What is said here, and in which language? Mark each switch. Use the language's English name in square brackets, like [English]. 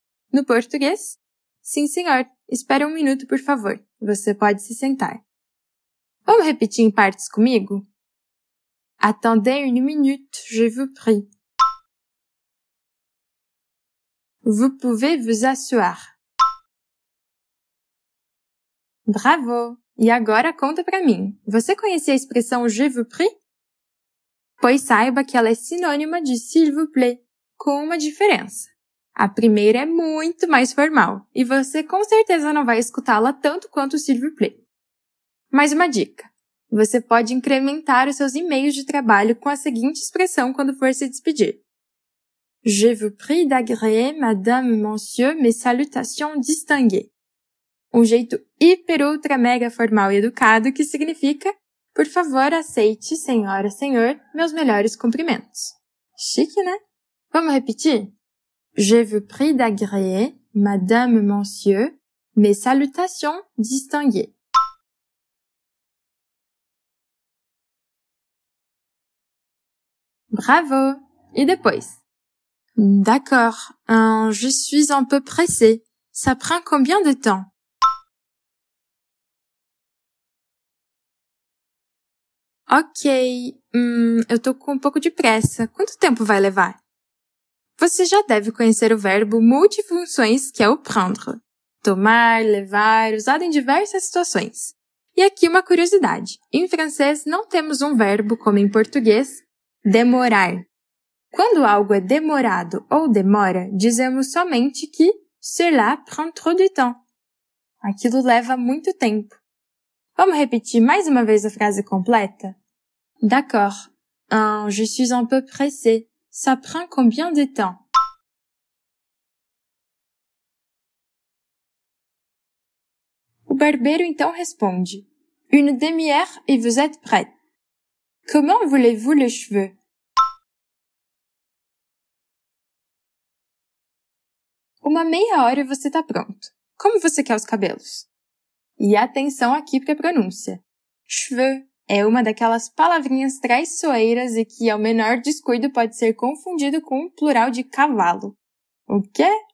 [Portuguese] No português, sim, senhor, espere um minuto, por favor. Você pode se sentar. Vamos repetir em partes comigo? [French] Attendez une minute, je vous prie. Vous pouvez vous asseoir. [Portuguese] Bravo! E agora conta pra mim. Você conhecia a expressão [French] je vous prie? [Portuguese] Pois saiba que ela é sinônima de [French] s'il vous plaît, [Portuguese] com uma diferença. A primeira é muito mais formal, e você com certeza não vai escutá-la tanto quanto [French] s'il vous plaît. [Portuguese] Mais uma dica. Você pode incrementar os seus e-mails de trabalho com a seguinte expressão quando for se despedir. [French] Je vous prie d'agréer, madame, monsieur, mes salutations distinguées. [Portuguese] Um jeito hiper, ultra, mega formal e educado que significa por favor, aceite, senhora, senhor, meus melhores cumprimentos. Chique, né? Vamos repetir? [French] Je vous prie d'agréer, madame, monsieur, mes salutations distinguées. Bravo! [Portuguese] E depois? [French] D'accord, je suis un peu pressé. Ça prend combien de temps? [Portuguese] Ok, eu tô com um pouco de pressa. Quanto tempo vai levar? Você já deve conhecer o verbo multifunções, que é o prendre. Tomar, levar, usado em diversas situações. E aqui uma curiosidade. Em francês, não temos um verbo, como em português, demorar. Quando algo é demorado ou demora, dizemos somente que [French] cela prend trop de temps. [Portuguese] Aquilo leva muito tempo. Vamos repetir mais uma vez a frase completa? [French] D'accord. Je suis un peu pressé. Ça prend combien de temps? [Portuguese] O barbeiro então responde: [French] Une demi-heure et vous êtes prêt. Comment voulez-vous les cheveux? [Portuguese] Uma meia hora e você está pronto. Como você quer os cabelos? E atenção aqui para a pronúncia. Cheveux é uma daquelas palavrinhas traiçoeiras e que, ao menor descuido, pode ser confundido com o plural de cavalo. O quê?